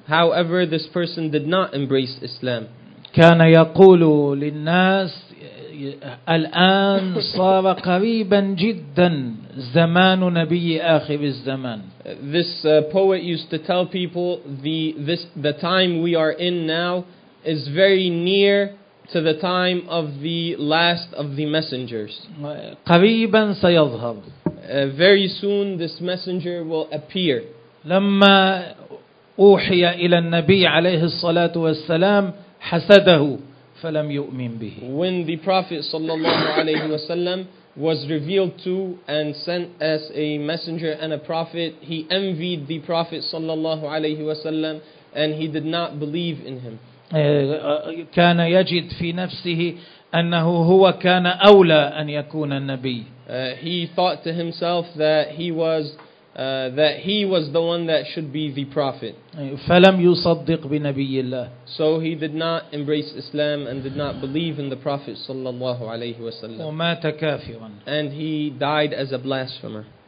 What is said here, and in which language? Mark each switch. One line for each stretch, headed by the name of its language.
English: However, this person did not embrace Islam.
Arabic: كان يقول للناس الآن صار قريبا جدا زمان نبي آخر الزمان.
English: This poet used to tell people the time we are in now is very near to the time of the last of the messengers.
Arabic: قريبا سيظهر.
English: Very soon this messenger will appear.
Arabic: لما أوحي إلى النبي عليه الصلاة والسلام حسده. فلم يؤمن به.
English: When the Prophet sallallahu alayhi wasallam was revealed to and sent as a messenger and a prophet, he envied the Prophet sallallahu alayhi wasallam and he did not believe in him.
Arabic: كان يجد في نفسه أنه هو كان أولى أن يكون النبي.
English: He thought to himself that he was the one that should be the prophet.
Arabic: فلم يصدق بنبي الله.
English: So he did not embrace Islam and did not believe in the Prophet sallallahu alayhi wasallam.
Arabic: ومات كافرا.
English: And he died as a blasphemer.